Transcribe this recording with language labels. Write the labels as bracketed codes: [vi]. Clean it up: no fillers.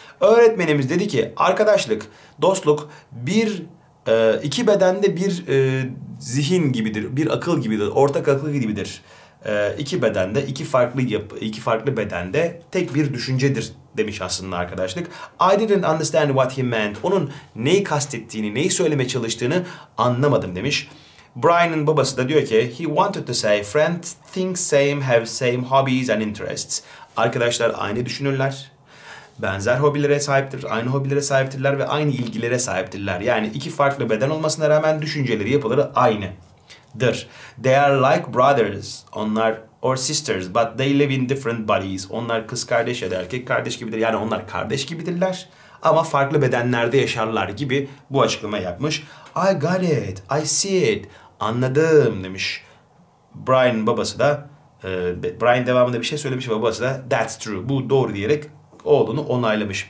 [tr] Öğretmenimiz dedi ki, arkadaşlık, dostluk bir iki bedende bir zihin gibidir, bir akıl gibidir, ortak akıl gibidir. İki bedende, iki farklı bedende tek bir düşüncedir demiş aslında arkadaşlık. [en] I didn't understand what he meant. [tr] Onun neyi kastettiğini, neyi söylemeye çalıştığını anlamadım demiş. Brian'ın babası da diyor ki, [en] he wanted to say friends think same, have same hobbies and interests. [tr] Arkadaşlar aynı düşünürler. Benzer hobilere sahiptir, aynı hobilere sahiptirler ve aynı ilgilere sahiptirler. Yani iki farklı beden olmasına rağmen düşünceleri, yapıları aynı. Dır. [en] They are like brothers, onlar or sisters, but they live in different bodies. [tr] Onlar kız kardeş ya da erkek kardeş gibidir. Yani onlar kardeş gibidirler ama farklı bedenlerde yaşarlar gibi bu açıklama yapmış. [en] I got it, I see it. [tr] Anladım demiş. Brian babası da, Brian devamında bir şey söylemiş ve babası da [en] that's true, [tr] bu doğru diyerek oğlunu onaylamış.